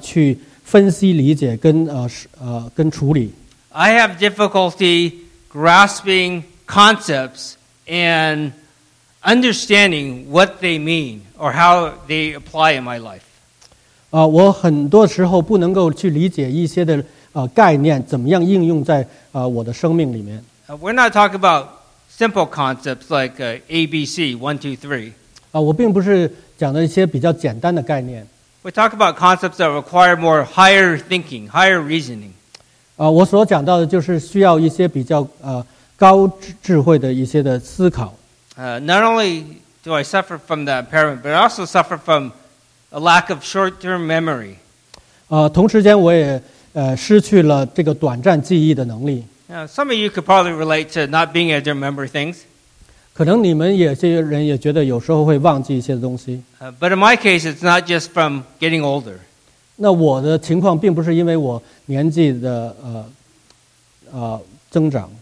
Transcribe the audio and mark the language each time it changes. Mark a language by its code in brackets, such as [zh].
[zh] 第一方面就是对一些信息我没有办法很友善地去分析理解跟处理。 [en] I have difficulty grasping concepts and understanding what they mean or how they apply in my life. [zh] 我很多时候不能够去理解一些的概念怎么样应用在我的生命里面。 [en] We're not talking about simple concepts like ABC, 1, 2, 3. [zh] 我并不是讲的一些比较简单的概念。 [en] We talk about concepts that require more higher thinking, higher reasoning. [zh] 我所讲到的就是需要一些比较高智慧的一些的思考。 [en] Not only do I suffer from that impairment, but I also suffer from a lack of short-term memory. [zh] 同时间我也失去了这个短暂记忆的能力。 [en] Some of you could probably relate to not being able to remember things. [zh] 可能你们有些人也觉得有时候会忘记一些东西。 [en] But in my case, it's not just from getting older. [zh] 那我的情况并不是因为我年纪的增长。